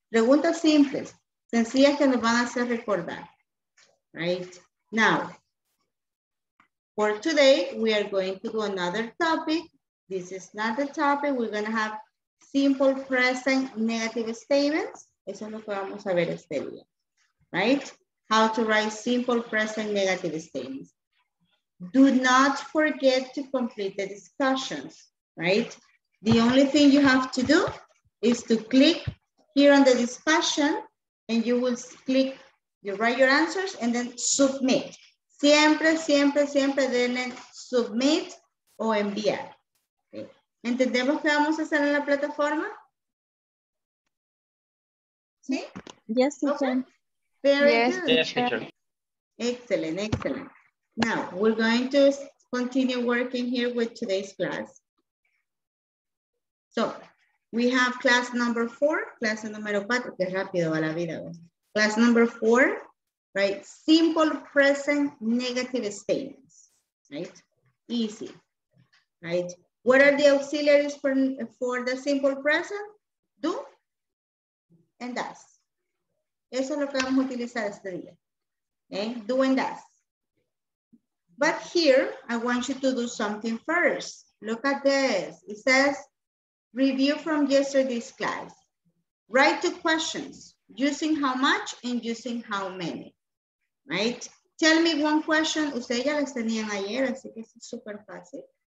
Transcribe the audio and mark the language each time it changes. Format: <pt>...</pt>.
<es>Preguntas simples, sencillas que nos van a hacer recordar, right?</es> <en>Now, for today, we are going to do another topic. This is not the topic. We're going to have simple present negative statements.</en> <es>Eso es lo que vamos a ver este día, right?</es> <en>How to write simple present negative statements. Do not forget to complete the discussions, right? The only thing you have to do is to click here on the discussion and you will click, you write your answers and then submit.</en> <es>Siempre, siempre, siempre denle submit o enviar. Okay. ¿Entendemos qué vamos a hacer en la plataforma? ¿Sí?</es> <en>Yes, teacher. Okay. Very yes, good. Yes, teacher. Excellent, excellent. Now, we're going to continue working here with today's class. So, we have class number four,</en> <es>clase número cuatro, que rápido va la vida.</es> <en>Class number four. Right, simple present negative statements, right? Easy, right? What are the auxiliaries for the simple present? Do and does.</en> <es>Eso es lo que vamos a utilizar este día.</es> <en>Okay, do and does. But here, I want you to do something first. Look at this. It says, review from yesterday's class. Write two questions, using how much and using how many. Right? Tell me one question.</en> <es>Ustedes ya las tenían ayer, así que es súper fácil.</es>